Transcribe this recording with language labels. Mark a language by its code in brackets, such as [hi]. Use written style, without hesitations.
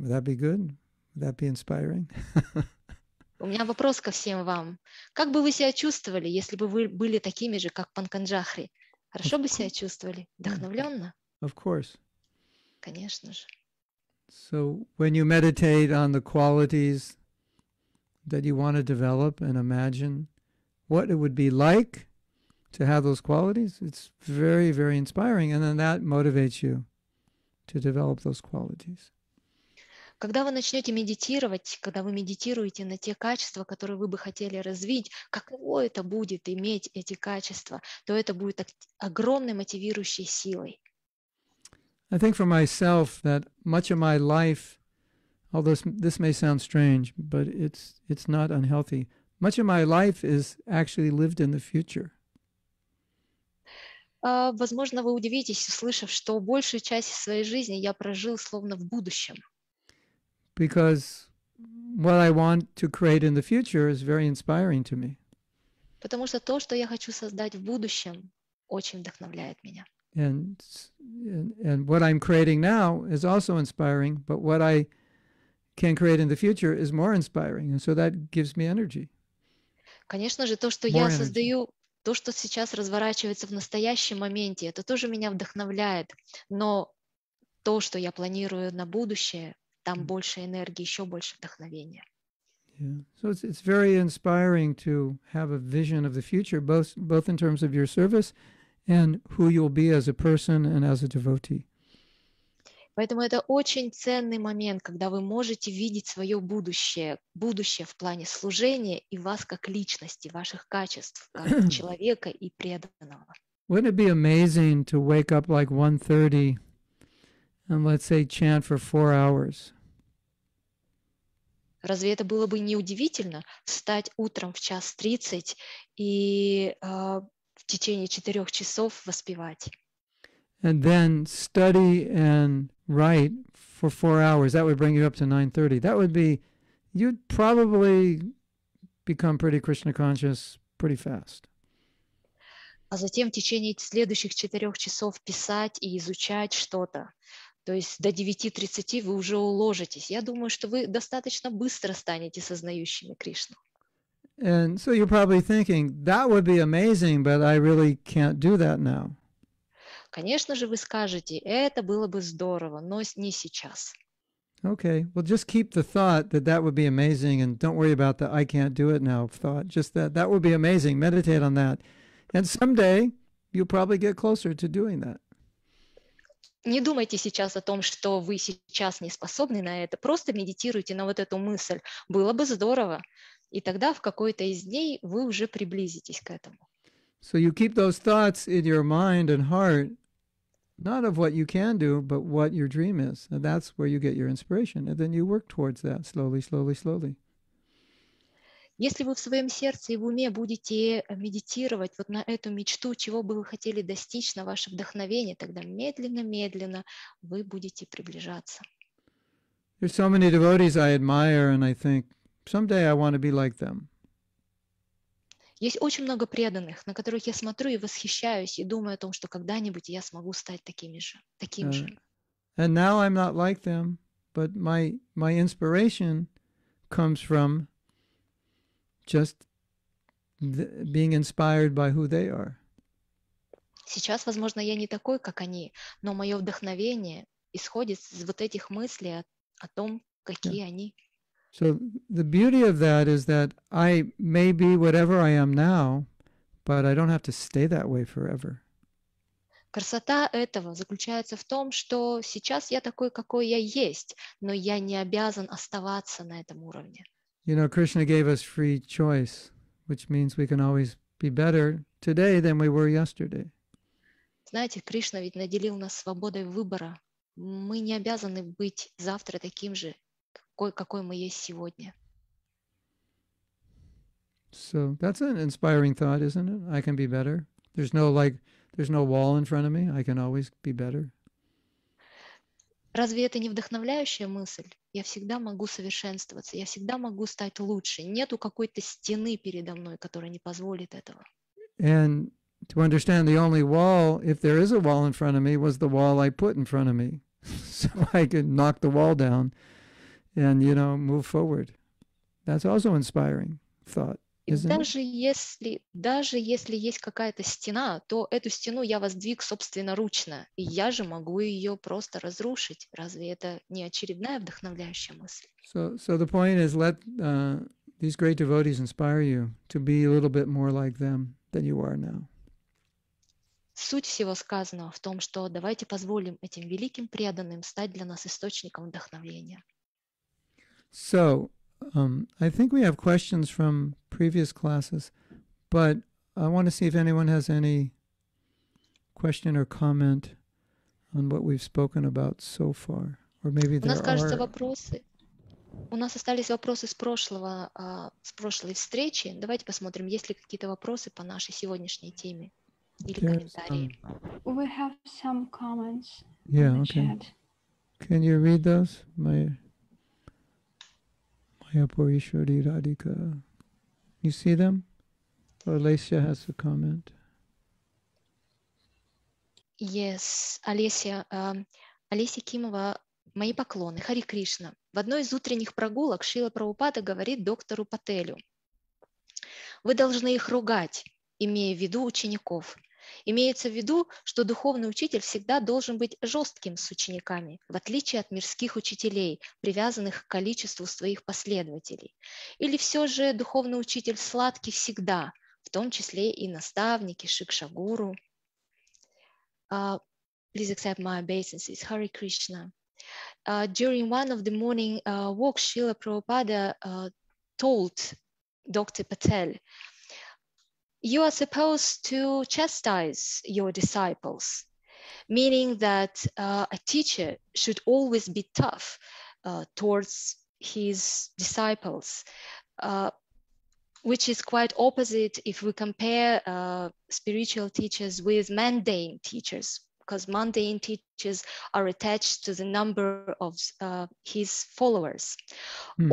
[en] Would that be good? That be inspiring? [ru] У меня вопрос ко всем вам. Как бы вы себя чувствовали, если бы вы были такими же, как Панканджахри? Хорошо бы себя чувствовали? Вдохновленно? [en] Of course. [ru] Конечно же. [en] So when you meditate on the qualities that you want to develop and imagine what it would be like to have those qualities, it's very, very inspiring. And then that motivates you to develop those qualities. [ru] Когда вы начнете медитировать, когда вы медитируете на те качества, которые вы бы хотели развить, каково это будет иметь эти качества, то это будет огромной мотивирующей силой. [en] I think for myself that much of my life, although this may sound strange, but it's not unhealthy, much of my life is actually lived in the future. [ru] Возможно, вы удивитесь, услышав, что большую часть своей жизни я прожил словно в будущем. [en] Because what I want to create in the future is very inspiring to me. [ru] Потому что то, что я хочу создать в будущем, очень вдохновляет меня. [en] And what I'm creating now is also inspiring, but what I can create in the future is more inspiring, and so that gives me energy. [ru] Конечно же, то, что я создаю, то, что сейчас разворачивается в настоящем моменте, это тоже меня вдохновляет, но то, что я планирую на будущее, там больше энергии, еще больше вдохновения. [en] Yeah. So it's very inspiring to have a vision of the future, both in terms of your service and who you'll be as a person and as a devotee. [ru] Поэтому это очень ценный момент, когда вы можете видеть свое будущее, будущее в плане служения и вас как личности, ваших качеств, как человека и преданного. [en] Wouldn't it be amazing to wake up like 1:30 and let's say chant for 4 hours. [ru] Разве это было бы не удивительно встать утром в 1:30 и в течение 4 часов воспевать? [en] And then study and write for 4 hours. That would bring you up to 9:30. That would be, you'd probably become pretty Krishna conscious pretty fast. [ru] А затем в течение следующих 4 часов писать и изучать что-то. То есть до 9:30 вы уже уложитесь. Я думаю, что вы достаточно быстро станете сознающими Кришну. [en] And so you're probably thinking, that would be amazing, but I really can't do that now. [ru] Конечно же, вы скажете, это было бы здорово, но не сейчас. [en] Okay, well, just keep the thought that that would be amazing, and don't worry about the I can't do it now thought. Just that would be amazing. Meditate on that. And someday you'll probably get closer to doing that. [ru] Не думайте сейчас о том, что вы сейчас не способны на это. Просто медитируйте на вот эту мысль. Было бы здорово. И тогда в какой-то из дней вы уже приблизитесь к этому. [en] So you keep those thoughts in your mind and heart, not of what you can do, but what your dream is. And that's where you get your inspiration. And then you work towards that slowly, slowly, slowly. [ru] Если вы в своем сердце и в уме будете медитировать вот на эту мечту, чего бы вы хотели достичь, на ваше вдохновение, тогда медленно-медленно вы будете приближаться. [en] There's so many devotees I admire, and I think someday I want to be like them. [ru] Есть очень много преданных, на которых я смотрю и восхищаюсь, и думаю о том, что когда-нибудь я смогу стать таким же. [en] And now I'm not like them, but my inspiration comes from just being inspired by who they are. [ru] Сейчас, возможно, я не такой, как они, но мое вдохновение исходит из вот этих мыслей о том, какие они. [en] So the beauty of that is that I may be whatever I am now, but I don't have to stay that way forever. [ru] Красота этого заключается в том, что сейчас я такой, какой я есть, но я не обязан оставаться на этом уровне. [en] You know, Krishna gave us free choice, which means we can always be better today than we were yesterday. [ru] Знаете, Кришна ведь наделил нас свободой выбора. Мы не обязаны быть завтра таким же, какой мы есть сегодня. [en] So that's an inspiring thought, isn't it? I can be better. There's no wall in front of me. I can always be better. [ru] Разве это не вдохновляющая мысль? Я всегда могу совершенствоваться. Я всегда могу стать лучше. Нету какой-то стены передо мной, которая не позволит этого. [en] And to understand the only wall, if there is a wall in front of me, was the wall I put in front of me. So I could knock the wall down and, you know, move forward. That's also inspiring thought, isn't it? [ru] Даже если есть какая-то стена, то эту стену я воздвиг собственноручно, и я же могу ее просто разрушить. Разве это не очередная вдохновляющая мысль? [en] So the point is, let these great devotees inspire you to be a little bit more like them than you are now. [ru] Суть всего сказанного в том, что давайте позволим этим великим преданным стать для нас источником вдохновения. [en] So, I think we have questions from previous classes, but I want to see if anyone has any question or comment on what we've spoken about so far, or maybe there are. [ru] У нас остались вопросы с прошлой встречи. Давайте посмотрим, есть ли какие-то вопросы по нашей сегодняшней теме или комментарии. [en] We have some comments. Yeah, okay. Can you read those, my? Yeah, Purishwari Radhika. You see them? Alessia has a comment. Yes, [ru] Alessia. Alessia Kimova, мои поклоны. Хари Кришна. В одной из утренних прогулок Шрила Прабхупада говорит доктору Пателю: «Вы должны их ругать, имея в виду учеников». Имеется в виду, что духовный учитель всегда должен быть жестким с учениками, в отличие от мирских учителей, привязанных к количеству своих последователей. Или все же духовный учитель сладкий всегда, в том числе и наставники, шикшагуру. [en] Please accept my obeisances, Hare Krishna. During one of the morning walks, Srila Prabhupada told Dr. Patel, you are supposed to chastise your disciples, meaning that a teacher should always be tough towards his disciples, which is quite opposite if we compare spiritual teachers with mundane teachers, because mundane teachers are attached to the number of his followers. Mm-hmm.